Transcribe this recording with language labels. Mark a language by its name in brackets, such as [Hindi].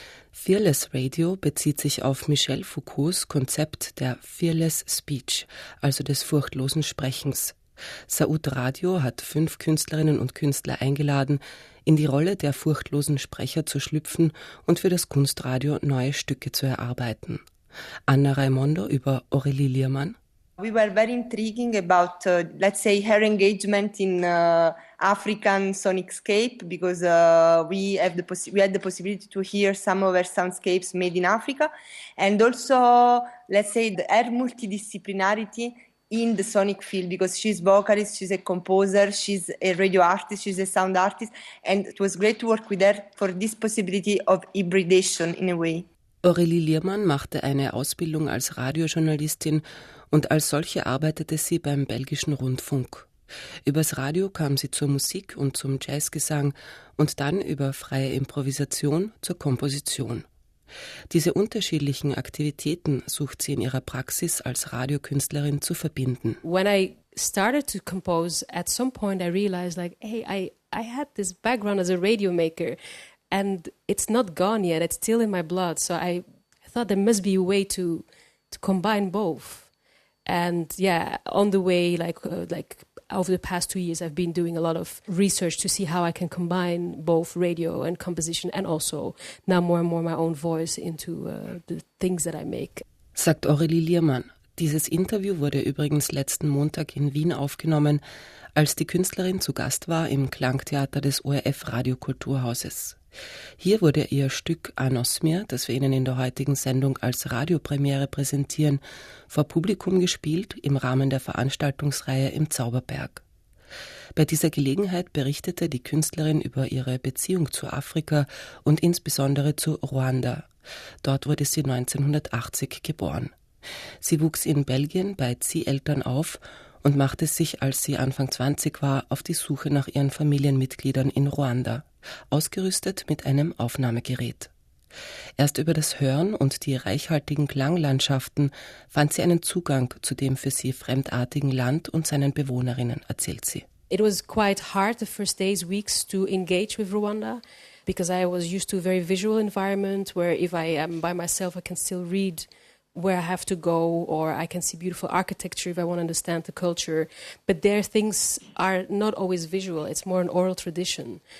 [German] Fearless Radio bezieht sich auf Michel Foucaults Konzept der Fearless Speech, also des furchtlosen Sprechens. Saud Radio hat 5 Künstlerinnen und Künstler eingeladen, in die Rolle der furchtlosen Sprecher zu schlüpfen und für das Kunstradio neue Stücke zu erarbeiten. Anna Raimondo über Aurélie Liermann. [English] We were very intriguing about, let's say, her engagement in African sonicscape, because we had the possibility to hear some of her soundscapes made in Africa, and also, let's say, her multidisciplinarity in the sonic field, because she's vocalist, she's a composer, she's a radio artist, she's a sound artist, and it was great to work with her for this possibility of hybridization in a way. [German] Aurélie Liermann machte eine Ausbildung als Radiojournalistin und als solche arbeitete sie beim belgischen Rundfunk. Übers Radio kam sie zur Musik und zum Jazzgesang und dann über freie Improvisation zur Komposition. Diese unterschiedlichen Aktivitäten sucht sie in ihrer Praxis als Radiokünstlerin zu verbinden. [English] When I started to compose, at some point I realized like, hey, I had this background as a radio maker. And it's not gone yet, it's still in my blood. So I thought there must be a way to combine both. And yeah, on the way, like over the past 2 years, I've been doing a lot of research to see how I can combine both radio and composition and also now more and more my own voice into the things that I make. [German] Sagt Aurélie Liermann. Dieses Interview wurde übrigens letzten Montag in Wien aufgenommen, als die Künstlerin zu Gast war im Klangtheater des ORF Radiokulturhauses. Hier wurde ihr Stück Anosmia, das wir Ihnen in der heutigen Sendung als Radiopremiere präsentieren, vor Publikum gespielt im Rahmen der Veranstaltungsreihe im Zauberberg. Bei dieser Gelegenheit berichtete die Künstlerin über ihre Beziehung zu Afrika und insbesondere zu Ruanda. Dort wurde sie 1980 geboren. Sie wuchs in Belgien bei Zieheltern auf und machte sich, als sie Anfang 20 war, auf die Suche nach ihren Familienmitgliedern in Ruanda, ausgerüstet mit einem Aufnahmegerät. Erst über das Hören und die reichhaltigen Klanglandschaften fand sie einen Zugang zu dem für sie fremdartigen Land und seinen Bewohnerinnen, erzählt sie. [English] It was quite hard the first days, weeks to engage with Rwanda, because I was used to a very visual environment, where if I am by myself I can still read where I have to go, or I can see beautiful architecture if I want to understand the culture. But there, things are not always visual. It's more an oral tradition.